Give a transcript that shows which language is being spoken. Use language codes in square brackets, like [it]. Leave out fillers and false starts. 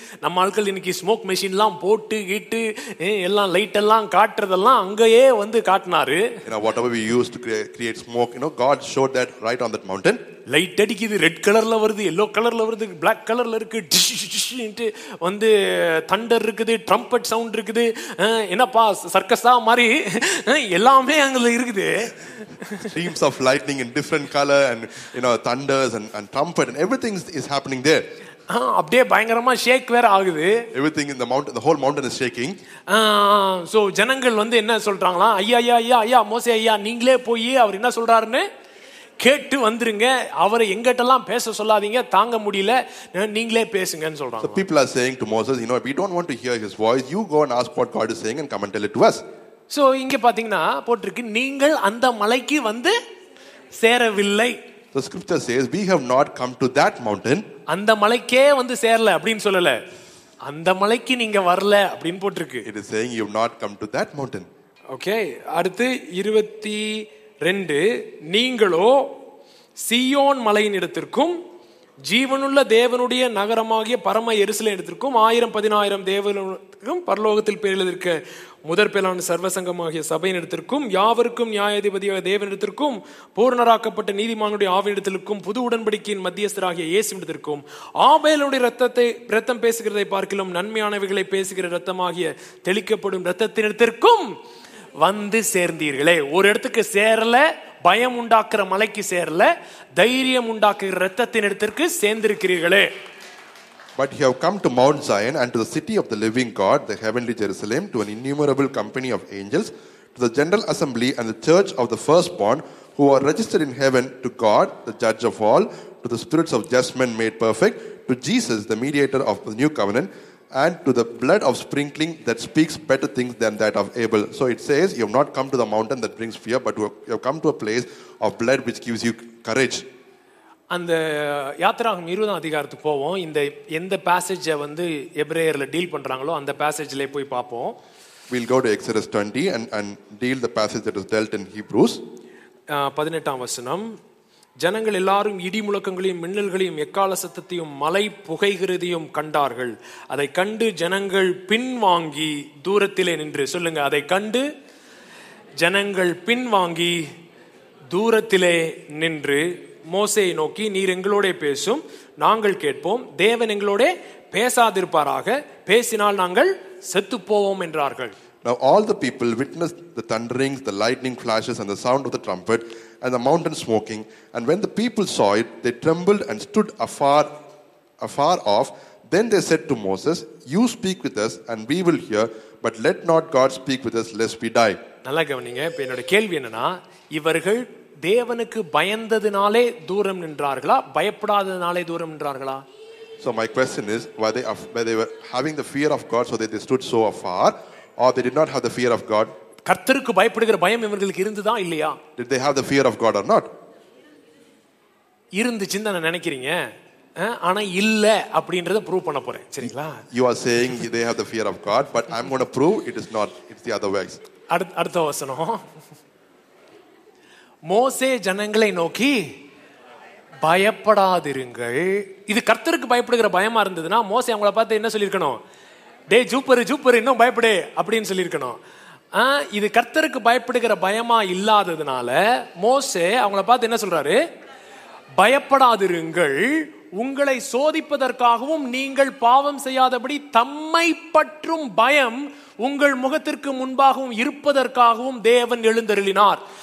[ta] நம்ம ஆட்கள் இன்னைக்கு ஸ்மோக் மெஷின் எல்லாம் போட்டு கிட்டு எல்லாம் லைட் எல்லாம் காட்டுறதெல்லாம் அங்கேயே வந்து காட்டினாரு. [en] You know, whatever we used to create smoke, you know, God showed that right on that mountain. [ta] Light அடிக்குது, ரெட் கலர்ல வருது, எல்லோ கலர்ல வருது, பிளாக் கலர்ல இருக்கு, வந்து தண்டர் இருக்குது, ட்ரம்பட் சவுண்ட் இருக்குது, என்னப்பா சர்க்கஸா மாதிரி எல்லாமே அங்கே இருக்குது. [en] Streams of lightning in different color and you know thunders and trumpet and everything is happening there. [ta] அப்படியே பயங்கரமா ஷேக் வேற ஆகுது. [en] Everything in the mountain, the whole mountain is shaking. [ta] So ஜனங்கள் வந்து என்ன சொல்றாங்களா, ஐயா ஐயா ஐயா ஐயா மோசே ஐயா நீங்களே போய் அவர் என்ன சொல்றாருன்னு கேட்டு வந்துருங்க, அவரை எங்கட்டெல்லாம் பேச சொல்லாதீங்க, தாங்க முடியல, நீங்களே பேசுங்கன்னு சொல்றாங்க. [en] The people are saying to Moses, you know, we don't want to hear his voice, you go and ask what God is saying and come and tell it to us. [ta] So இங்க பாத்தீங்கன்னா போட்டிருக்கு, நீங்கள் அந்த மலைக்கு வந்து சேரவில்லை. [en] The scripture says we have not come to that mountain. [ta] அந்த மலைக்கே வந்து சேரல அப்படினு சொல்லல, அந்த மலைக்கு நீங்க வரல அப்படினு போட்டிருக்கு. [en] It is saying you have not come to that mountain. [ta] Okay, அடுத்து 22, நீங்களோ சியோன் மலையின் இடத்திற்கும் ஜீவனுள்ள தேவனுடைய நகரமாகிய பரம எருசலேம் இடத்திற்கும் 10,000 தேவர்களுக்கும் பரலோகத்தில் பேரெழுதிருக்க முதற் பேலான சர்வசங்கமாகிய சபையின் இடத்திற்கும் யாவருக்கும் நியாயாதிபதியாக தேவனிடத்திற்கும் பூர்ணராக்கப்பட்ட நீதிமானுடைய ஆவியிடத்திற்கும் புது உடன்படிக்கையின் மத்தியஸ்தராகிய இயேசுவிடத்திற்கும் ஆபேலுடைய ரத்தத்தை ரத்தம் பேசுகிறதை பார்க்கலும் நன்மையானவைகளை பேசுகிற ரத்தமாகிய தெளிக்கப்படும் ரத்தத்தினிடத்திற்கும் வந்து சேர்ந்தீர்களே. ஒரு இடத்துக்கு சேரல, பயம் உண்டாக்குற மலைக்கு சேரல, தைரியம் உண்டாக்குற ரத்தத்தின் இடத்திற்கு சேர்ந்திருக்கிறீர்களே. [en] But you have come to Mount Zion and to the city of the living God, the heavenly Jerusalem, to an innumerable company of angels, to the general assembly and the church of the firstborn who are registered in heaven, to God, the judge of all, to the spirits of just men made perfect, to Jesus, the mediator of the new covenant, and to the blood of sprinkling that speaks better things than that of Abel. So it says you have not come to the mountain that brings fear, but you have come to a place of blood which gives you courage. [ta] அந்த யாத்திராகம் 20 அதிகாரத்துக்கு போவோம். இந்த எந்த பேசேஜை வந்து எபிரேயர்ல deal பண்றாங்களோ அந்த பேசேஜ்லயே போய் பார்ப்போம். [en] We'll go to Exodus 20 and deal the passage that was dealt in Hebrews. [ta] 18 வசனம், ஜனங்கள் எல்லாரும் இடி முழக்கங்களையும் மின்னல்களையும் எக்கால சத்தத்தையும் மலை புகைகிறதையும் கண்டார்கள். அதை கண்டு ஜனங்கள் பின்வாங்கி தூரத்திலே நின்று, சொல்லுங்க, அதை கண்டு ஜனங்கள் பின்வாங்கி தூரத்திலே நின்று மோசேயை நோக்கி, நீர் எங்களோட பேசும், நாங்கள் கேட்போம், தேவன் எங்களோட பேசாதிருப்பாராக, பேசினால் நாங்கள் செத்து போவோம் என்றார்கள். [en] Now all the people witnessed the thunderings, the lightning flashes and the sound of the trumpet and the mountain smoking, and when the people saw it they trembled and stood afar off. Then they said to Moses, you speak with us and we will hear, but let not God speak with us lest we die. [ta] நல்லா கவனிங்க, இப்ப என்னோட கேள்வி என்னன்னா, இவர்கள் தேவனுக்கு பயந்ததினாலே தூரம் நின்றார்களா, பயப்படாததினாலே தூரம் நின்றார்களா? [en] So my question is, were they having the fear of God so that they stood so afar, or they did not have the fear of God? [ta] கர்த்தருக்கு பயப்படுகிற பயம் இவங்களுக்கு இருந்ததா இல்லையா? [en] Did they have the fear of God or not? [ta] இருந்துச்சுன்னு நினைக்கிறீங்க, ஆனா இல்ல அப்படின்றத ப்ரூவ் பண்ண போறேன், சரிங்களா? [en] You are saying they have the fear of God, but I'm going to prove it is not, it's the other way. [ta] அடுத்த வசனம், மோசே ஜனங்களை நோக்கி பயப்படாதிருங்கள். இது கர்த்தருக்கு பயப்படுகிற பயமா இருந்ததுன்னா மோசே அவங்கள பார்த்து என்ன சொல்லிருக்கணும், டே ஜூப்பரு ஜூப்பரு இன்னும் பயப்படு அப்படின்னு சொல்லிருக்கணும். இது கர்த்தருக்கு பயப்படுகிற பயமா இல்லாததுனால மோசே அவங்கள பார்த்து என்ன சொல்றாரு, பயப்படாதிருங்கள், உங்களை சோதிப்பதற்காகவும் நீங்கள் பாவம் செய்யாதபடி தம்மை பற்றும் பயம் உங்கள் முகத்திற்கு முன்பாகவும் இருப்பதற்காகவும் தேவன் எழுந்தருளினார்.